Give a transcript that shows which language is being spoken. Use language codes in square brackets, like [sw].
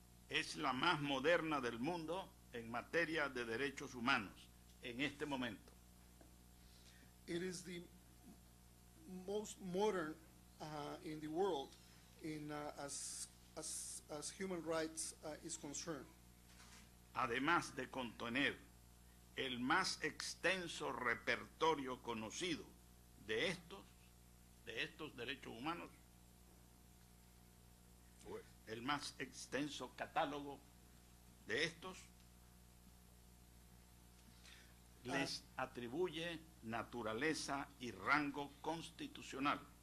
[es] Es la más moderna del mundo en materia de derechos humanos. En este momento. [en] It is the most modern in the world in as human rights is concerned. [es] Además de contener el más extenso repertorio conocido de estos derechos humanos, el más extenso catálogo de estos les atribuye naturaleza y rango constitucional.